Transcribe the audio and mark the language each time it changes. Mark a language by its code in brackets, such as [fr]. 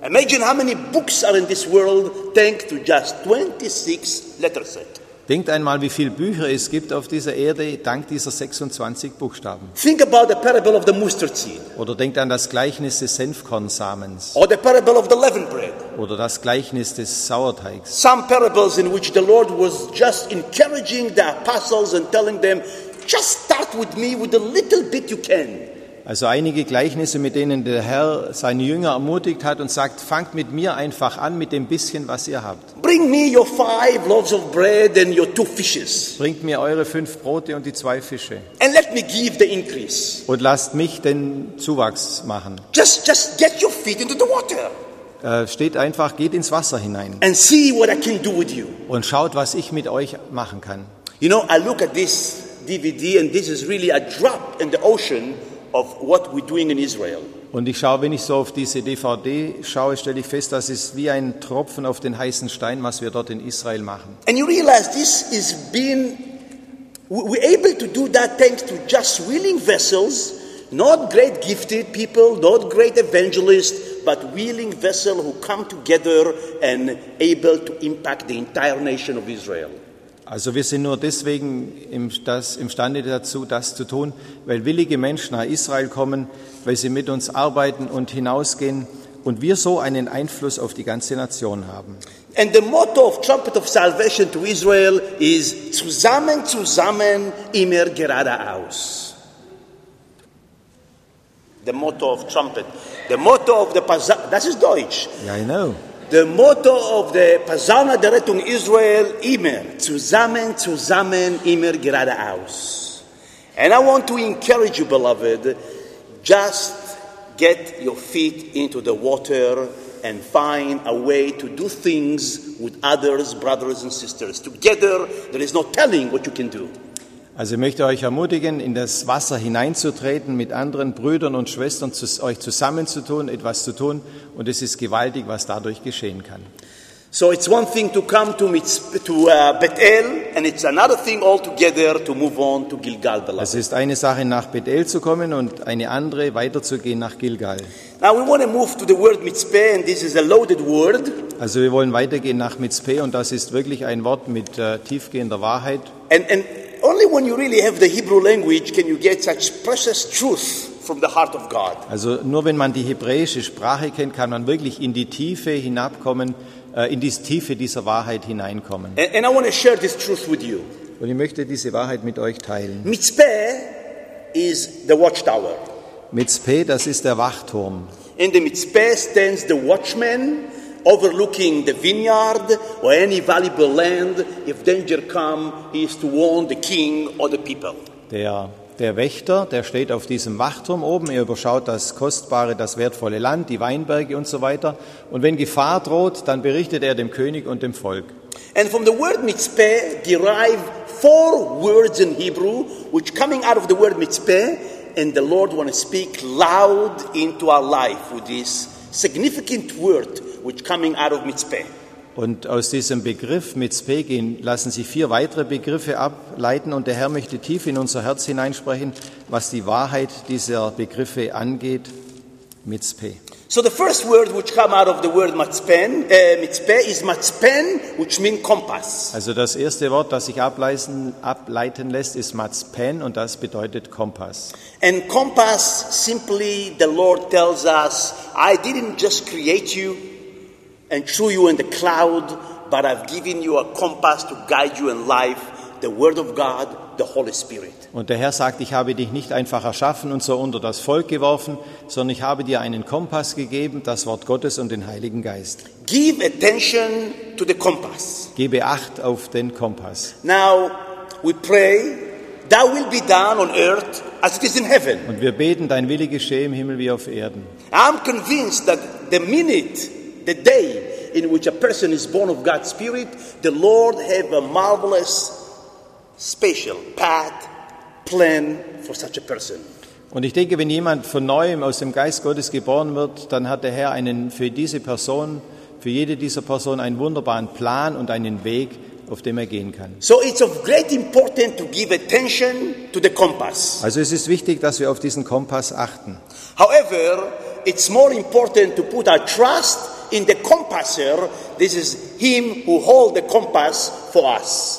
[en] Imagine how many books are in this world thanks to just 26 letter set. [de] Denkt einmal, wie viele Bücher es gibt auf dieser Erde, dank dieser 26 Buchstaben. [en] Think about the parable of the mustard seed. [de] Oder denkt an das Gleichnis des Senfkornsamens. [en] Or the parable of the leavened bread. [de] Oder das Gleichnis des Sauerteigs. [en] Some parables in which the Lord was just encouraging the apostles and telling them, just start with me with the little bit you can. [de] Also einige Gleichnisse, mit denen der Herr seine Jünger ermutigt hat und sagt, fangt mit mir einfach an, mit dem bisschen, was ihr habt. [en] Bring me your 5 loaves of bread and your 2 fishes. [de] Bringt mir eure 5 Brote und die 2 Fische. [en] And let me give the increase. [de] Und lasst mich den Zuwachs machen. [en] Just get your feet into the water. [de] Steht einfach, geht ins Wasser hinein. [en] And see what I can do with you. [de] Und schaut, was ich mit euch machen kann. [en] You know, I look at this DVD and this is really a drop in the ocean of what we're doing in Israel. [de] Und ich schaue, wenn ich so auf diese DVD schaue, stelle ich fest, das ist wie ein Tropfen auf den heißen Stein, was wir dort in Israel machen. [en] And you realize this is being we're able to do that thanks to just willing vessels, not great gifted people, not great evangelists, but willing vessels who come together and able to impact the entire nation of Israel. [de] Also wir sind nur deswegen imstande dazu, das zu tun, weil willige Menschen nach Israel kommen, weil sie mit uns arbeiten und hinausgehen und wir so einen Einfluss auf die ganze Nation haben. [en] And the motto of Trumpet of Salvation to Israel is [de] zusammen, zusammen, immer geradeaus. [en] The motto of Trumpet. The motto of the Pazana. That is Deutsch. Yeah, I know. The motto of the Pazana [de] der Rettung Israel, immer, zusammen, zusammen, immer geradeaus. [en] And I want to encourage you, beloved, just get your feet into the water and find a way to do things with others, brothers and sisters. Together, there is no telling what you can do. [de] Also ich möchte euch ermutigen, in das Wasser hineinzutreten, mit anderen Brüdern und Schwestern euch zusammenzutun, etwas zu tun. Und es ist gewaltig, was dadurch geschehen kann. [en] So it's one thing to come to Bethel, and it's another thing altogether to move on to Gilgal. [de] Es ist eine Sache, nach Bethel zu kommen und eine andere, weiterzugehen nach Gilgal. [en] Now we want to move to the word Mitzpeh, and this is a loaded word. [de] Also wir wollen weitergehen nach Mitzpeh, und das ist wirklich ein Wort mit tiefgehender Wahrheit. [en] And only when you really have the Hebrew language can you get such precious truth from the heart of God. [de] Also nur wenn man die hebräische Sprache kennt, kann man wirklich in die Tiefe hinabkommen, in die Tiefe dieser Wahrheit hineinkommen. [en] And I want to share this truth with you. [de] Und ich möchte diese Wahrheit mit euch teilen. [en] Mitzpeh is the watchtower. [de] Mitzpeh, das ist der Wachturm. [en] In the Mitzpeh stands the watchman overlooking the vineyard or any valuable land. If danger comes, he is to warn the king or the people. [de] Der Wächter, der steht auf diesem Wachturm oben, er überschaut das kostbare, das wertvolle Land, die Weinberge und so weiter. Und wenn Gefahr droht, dann berichtet er dem König und dem Volk. [en] And from the word mitzpeh derive 4 words in Hebrew, which coming out of the word mitzpeh, and the Lord want to speak loud into our life with this significant word which coming out of mitzpeh. [de] Und aus diesem Begriff Mitzpeh gehen, lassen sich 4 weitere Begriffe ableiten, und der Herr möchte tief in unser Herz hineinsprechen, was die Wahrheit dieser Begriffe angeht. Mitzpeh. [en] So the first word which come out of the word mitzpeh is matzpen, which means compass. [de] Also das erste Wort, das sich ableiten lässt, ist matzpen, und das bedeutet Kompass. [en] And compass, simply the Lord tells us, I didn't just create you and threw you in the cloud, but I've given you a compass to guide you in life, the word of God, the Holy Spirit. [de] Und der Herr sagt, ich habe dich nicht einfach erschaffen und so unter das Volk geworfen, sondern ich habe dir einen Kompass gegeben, das Wort Gottes und den Heiligen Geist. [en] Give attention to the compass. [de] Gebe Acht auf den Kompass. [en] Now we pray, thou will be done on earth as it is in heaven. [de] Und wir beten, dein Wille geschehe im Himmel wie auf Erden. [en] I'm convinced that the minute, the day in which a person is born of God's Spirit, the Lord have a marvelous, special path, plan for such a person. [de] Und ich denke, wenn jemand von neuem aus dem Geist Gottes geboren wird, dann hat der Herr einen für diese Person, für jede dieser Person einen wunderbaren Plan und einen Weg, auf dem er gehen kann. [en] So it's of great importance to give attention to the compass. [de] Also es ist wichtig, dass wir auf diesen Kompass achten. [en] However, it's more important to put our trust in the compasser, this is him who hold the compass for us.